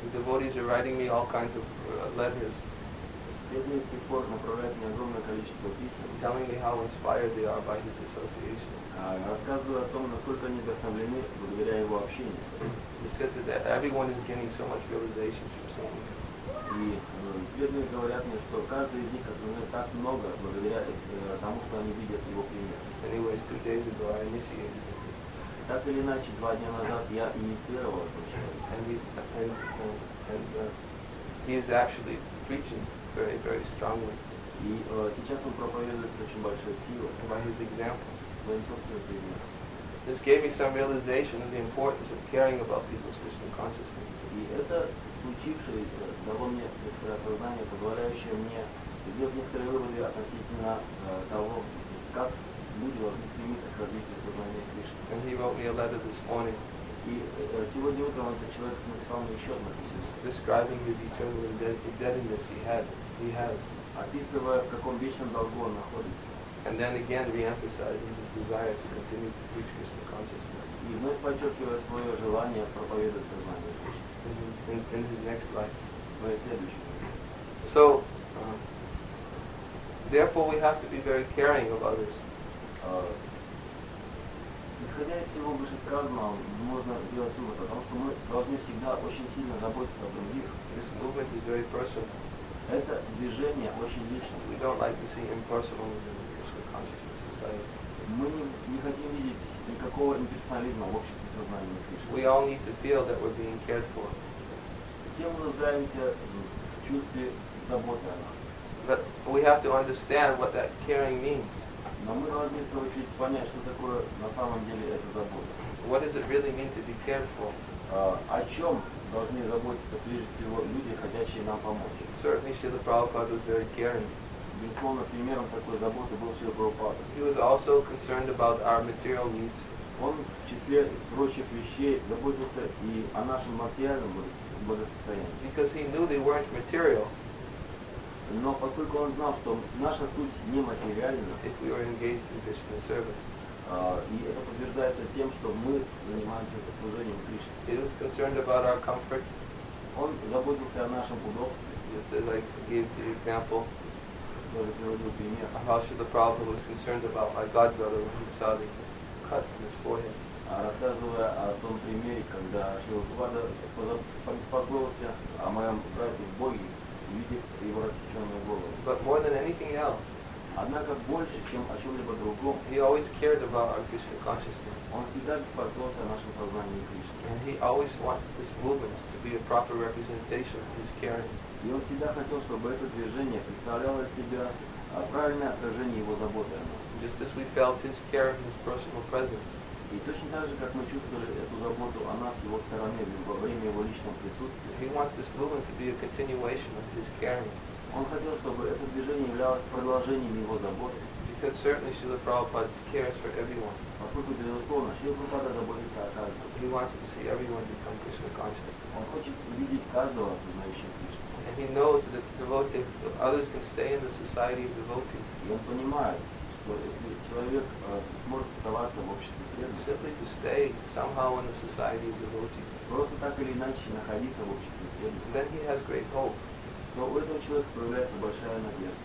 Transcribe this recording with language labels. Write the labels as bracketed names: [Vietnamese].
[English] The devotees are writing me all kinds of letters. [Russian] Бедные с тех пор направляют мне огромное количество писем. [English] Telling me how inspired they are by his association. [Russian] Рассказывают о том, насколько они вдохновлены благодаря его общению. [English] He said that everyone is getting so much realization from someone. [Russian] И бедные говорят мне, что каждый из них осознает так много благодаря тому, что они видят его пример. [English] Anyways, 2 days ago I initiated. [Russian] Так или иначе, 2 дня назад я инициировал этого человека. [English] And he is actually preaching very, very strongly. [Russian] И сейчас он проповедует с очень большой силой. [English] By his example. [Russian] Своим собственным примером. [English] This gave me some realization of the importance of caring about people's Christian consciousness. [Russian] И это случившееся дало мне некоторое осознание, позволяющее мне сделать некоторые выводы относительно того, как люди должны стремиться к развитию сознания Кришны. [English] And he wrote me a letter this morning. [Russian] И сегодня утром этот человек написал мне еще одно письмо. [English] Describing his eternal indebtedness he has. [Russian] Описывая, в каком вечном долгу он находится. [English] And then again re-emphasizing his desire to continue to preach Krishna consciousness. [Russian] И вновь подчеркивая свое желание проповедовать сознание Кришны. [English] In his next life. My television. So, therefore we have to be very caring of others. [Russian] Исходя из всего вышесказанного, можно сделать вывод о том, что мы должны всегда очень сильно заботиться о других. [English] This movement is very personal. [Russian] Это движение очень личное. [English] We don't like to see impersonal in the Krishna consciousness society. [Russian] Мы не хотим видеть никакого имперсонализма в обществе сознания Кришны. [English] We all need to feel that we're being cared for. [Russian] Все мы нуждаемся в чувстве заботы о нас. [English] But we have to understand what that caring means. [Russian] Но мы должны научиться понять, что такое на самом деле эта забота. [English] What does it really mean to be cared for? [Russian] О чем должны заботиться прежде всего люди, хотящие нам помочь? [English] Certainly, Srila Prabhupada was very caring. [Russian] Безусловно, примером такой заботы был Srila Prabhupada. [English] He was also concerned about our material needs. [Russian] Он в числе прочих вещей заботился и о нашем материальном благе. [English] Because he knew they weren't material. [Russian] Но поскольку он знал, что наша суть не материальна, [English] if we were engaged in Krishna service, [Russian] и это подтверждается тем, что мы занимаемся служением Кришне. [English] He was concerned about our comfort. [Russian] Он заботился о нашем удобстве. [English] Just like gave the example. [Russian] Тоже приводил пример. [English] How Srila Prabhupada was concerned about my god brother when he saw the cut in his forehead. [Russian] Рассказывая о том примере, когда Шрила Прабхупада беспокоился о моем брате в Боге, видя его рассеченную голову. [English] But more than anything else, [Russian] однако больше, чем о чем-либо другом, [English] he always cared about our Krishna consciousness. [Russian] Он всегда беспокоился о нашем сознании Кришны. [English] And he always wanted this movement to be a proper representation of his caring. [Russian] И он всегда хотел, чтобы это движение представляло из себя правильное отражение его заботы о нас. [English] Just as we felt his care and his personal presence. [Russian] И точно так же, как мы чувствовали эту заботу о нас, его стороны, во время его личного присутствия. [English] He wants this movement to be a continuation of his caring. [Russian] Он хотел, чтобы это движение являлось продолжением его заботы. [English] Because certainly Srila Prabhupada cares for everyone. [Russian] Поскольку, безусловно, Srila Prabhupada заботится о каждом. [English] He wants to see everyone become Krishna conscious. [Russian] Он хочет увидеть каждого, знающего Кришну. [English] And he knows that if others can stay in the society of devotees. [Russian] И он понимает, что если человек сможет оставаться в обществе, [English] simply to stay somehow in the society of devotees. [Russian] Просто так или иначе находиться в обществе преданных. [English] Then he has great hope. [Russian] Но у этого человека проявляется большая надежда.